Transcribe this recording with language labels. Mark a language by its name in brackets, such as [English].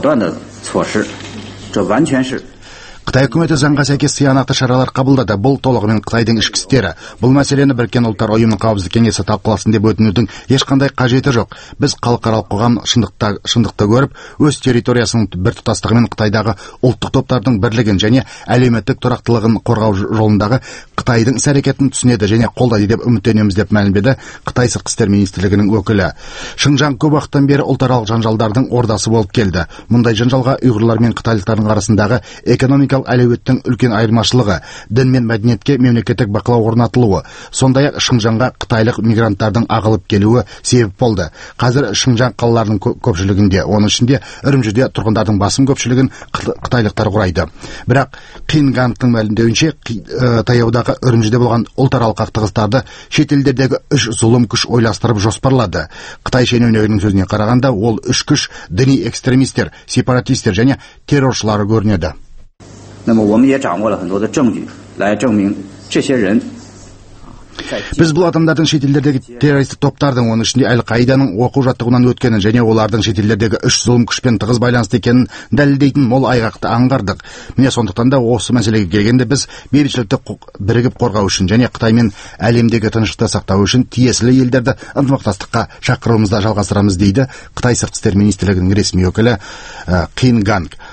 [Chinese] 采取了果断的措施，这完全是。 [Kazakh] Қытай үкіметі заңға сәйкес сиянақты шаралар қабылдады. Бұл толығымен Қытайдың ішкі істері. Бұл мәселені Біріккен ұлттар ұйымының қауіпсіздік кеңесі талқыласын деп өтінудің ешқандай қажеті жоқ. Біз халықаралық қоғам шындықты көріп, өз территориясының біртұтастығы мен Қытайдағы ұлттық топтардың бірлігін және әлеуметтік тұрақтылығын қорғау жолындағы Қытайдың іс-әрекетін түсінеді және қолдайды деп үміттенеміз деп мәлімдеді Қытай сыртқы істер министрлігінің өкілі. Шыңжаң көп уақыттан бері ұлтаралық жанжалдардың ордасы болып келді. Мұндай жанжалға ұйғырлар мен қытайлықтардың арасындағы экономикалық әлеуеттің үлкен айырмашылығы, дін мен мәдениетке мемлекеттік бақылау орнатылуы, сондай-ақ Шыңжаңға қытайлық мигранттардың ағылып келуі себеп болды. Қазір Шыңжаң қалаларының көпшілігінде, оның ішінде Үрімжіде тұрғындардың басым көпшілігін қытайлықтар құрайды. Бірақ Қин Гантың мәлімдеуінше, таяудағы Үрімжіде болған ұлтаралық қақтығыстарды шетелдердегі үш зұлым күш ойластырып жоспарлады. Қытай шенеунігінің сөзіне қарағанда, ол үш күш діни экстремистер, сепаратистер және терроршылар көрінеді. [Chinese] 那么我们也掌握了很多的证据来证明这些人 [Kazakh] Біз бұл адамдардың шетелдердегі террористік топтардың, оның ішінде Әл-Қаиданың оқу жаттығуынан өткенін және олардың шетелдердегі үш зұлым күшпен тығыз байланысты екенін дәлелдейтін мол айғақты аңғардық. Міне сондықтан да осы мәселеге келгенде біз бейбітшілікті бірігіп қорғау үшін және Қытаймен әлемдегі тыныштықты сақтау үшін тиесілі елдерді ынтымақтастыққа шақыруымызды жалғастырамыз, дейді Қытай сыртқы істер министрлігінің ресми өкілі Қин Ганг.